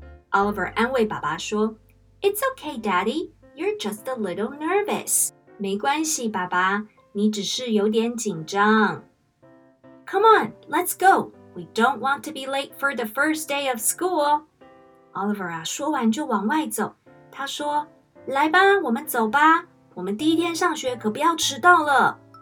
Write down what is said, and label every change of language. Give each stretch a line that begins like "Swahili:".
English: Oliver
Chinese: 安慰爸爸说，
English: It's okay, Daddy, you're just a little nervous.
Chinese: 没关系，爸爸，你只是有点紧张。
English: Come on, let's go. We don't want to be late for the first day of school.
Chinese: Oliver 啊，说完就往外走。他说，来吧，我们走吧，我们第一天上学可不要迟到了。